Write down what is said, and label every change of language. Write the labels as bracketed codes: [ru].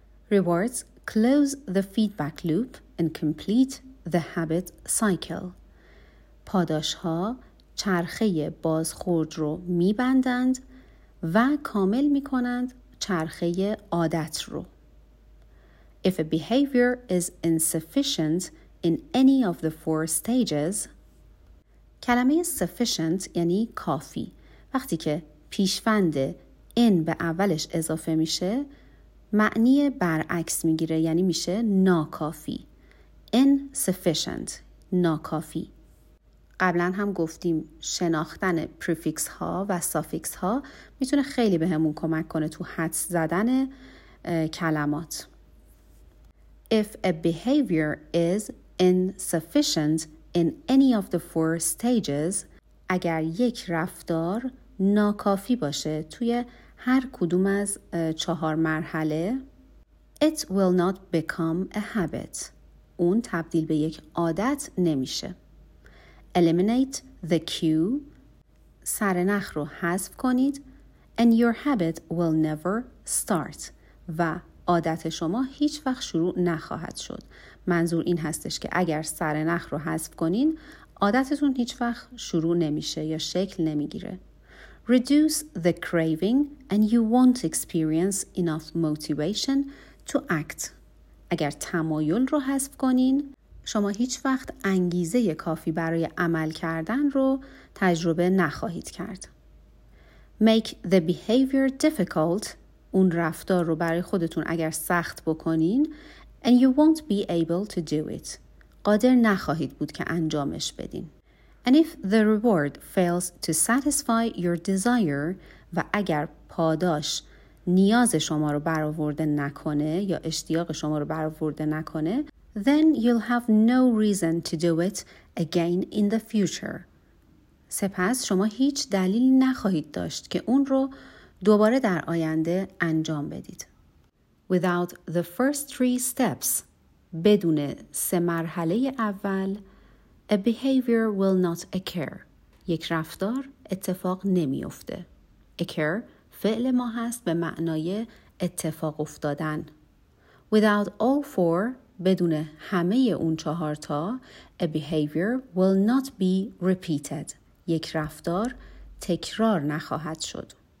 [en] Rewards close the feedback loop and complete the habit cycle. [fa] پاداش ها چرخه بازخورد رو میبندند و کامل میکنند چرخه عادت رو. [en] If a behavior is insufficient in any of the four stages, [fa] کلمه sufficient یعنی کافی. وقتی که پیشوند in به اولش اضافه میشه معنی برعکس میگیره یعنی میشه ناکافی. Insufficient ناکافی. قبلا هم گفتیم شناختن prefix ها و suffix ها میتونه خیلی بهمون کمک کنه تو حدس زدن کلمات. [en] If a behavior is insufficient In any of the four stages, [fa] اگر یک رفتار ناکافی باشه توی هر کدوم از چهار مرحله, [en] it will not become a habit. [fa] اون تبدیل به یک عادت نمیشه. [en] Eliminate the cue. [fa] سرنخ رو حذف کنید. [en] And your habit will never start. [fa] و عادت شما هیچ وقت شروع نخواهد شد. منظور این هستش که اگر سرنخ رو حذف کنین، عادتتون هیچ وقت شروع نمیشه یا شکل نمیگیره. [en] Reduce the craving and you won't experience enough motivation to act. [fa] اگر تمایل رو حذف کنین، شما هیچ وقت انگیزه کافی برای عمل کردن رو تجربه نخواهید کرد. [en] Make the behavior difficult، [fa] اون رفتار رو برای خودتون اگر سخت بکنین، [en] And you won't be able to do it. [fa] قادر نخواهید بود که انجامش بدین. [en] And if the reward fails to satisfy your desire [fa] و اگر پاداش نیاز شما رو برآورده نکنه [en] یا اشتیاق شما رو برآورده نکنه then you'll have no reason to do it again in the future. [fa] سپس شما هیچ دلیلی نخواهید داشت که اون رو دوباره در آینده انجام بدید. [en] Without the first three steps, [fa] بدون سه مرحله اول, [en] a behavior will not occur. [fa] یک رفتار اتفاق نمی افته. Occur فعل ما هست به معنای اتفاق افتادن. [en] Without all four, [fa] بدون همه اون چهار تا, [en] a behavior will not be repeated. [fa] یک رفتار تکرار نخواهد شد.